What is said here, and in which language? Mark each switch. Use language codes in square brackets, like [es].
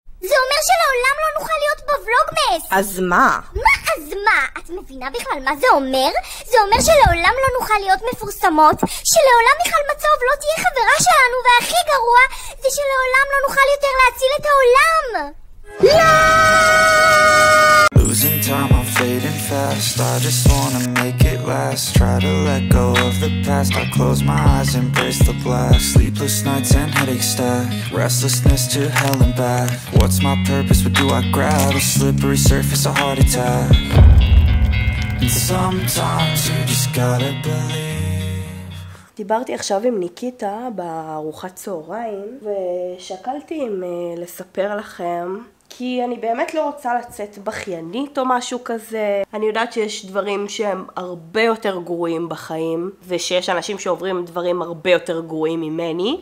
[he] זה אומר שלעולם לא נוכל להיות בוולוג מס. אז מה? מה אז מה? את מבינה בכלל מה זה אומר? זה אומר שלעולם לא נוכל להיות מפורסמות, שלעולם מיכל מצוב לא תהיה חברה שלנו, והכי גרוע זה שלעולם לא נוכל יותר להציל את העולם. לא! [en] Losing time, I'm fading fast. I just wanna make it last. Try to let go of the past. I close my eyes, embrace the blast. Sleepless nights and headache stack. Restlessness to hell and back. What's my purpose? What do I grab? A slippery surface, a heart attack. And sometimes you just gotta believe. [he] דיברתי עכשיו עם ניקיטה בארוחת צהריים, ושקלתי עם לספר לכם, כי אני באמת לא רוצה לצאת בחיינית או משהו כזה. אני יודעת שיש דברים שהם הרבה יותר גרועים בחיים, ושיש אנשים שעוברים דברים הרבה יותר גרועים ממני.